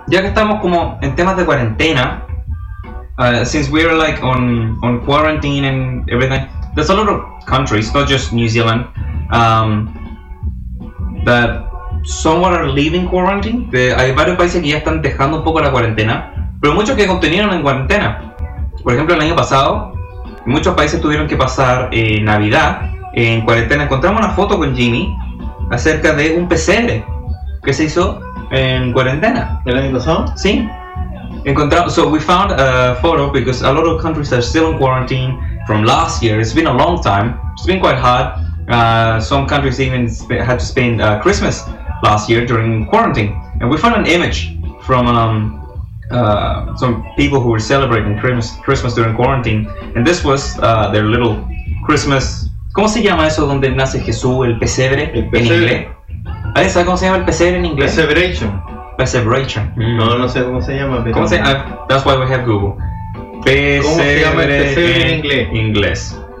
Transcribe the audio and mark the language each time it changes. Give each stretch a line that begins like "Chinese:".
Spanish: Ya que estamos como en temas de cuarentena,
English: since we are like on quarantine and everything, there's a lot of countries, not just New Zealand, that somewhat are leaving quarantine.
Spanish: Hay varios países que ya están dejando un poco la cuarentena, pero muchos que continuaron en cuarentena. Por ejemplo, el año pasado, muchos países tuvieron que pasar Navidad en cuarentena. Encontramos una foto con Jimmy acerca de un pesebre que se hizo en cuarentena. ¿El año pasado?
English: Sí. So we found a photo, because a lot of countries are still in quarantine from last year. It's been a long time. It's been quite hard. Some countries even had to spend Christmas last year during quarantine. And we found an image from some people who were celebrating Christmas during quarantine. And this was their little Christmas.
Spanish: ¿Cómo se llama eso donde nace Jesús, el pesebre, en inglés? ¿Sabes cómo se llama el pesebre en inglés? Pesebration. Pesebration. No sé cómo se llama, pero ¿cómo se llama?
English: That's why we have Google.
Spanish: Pesebre en inglés.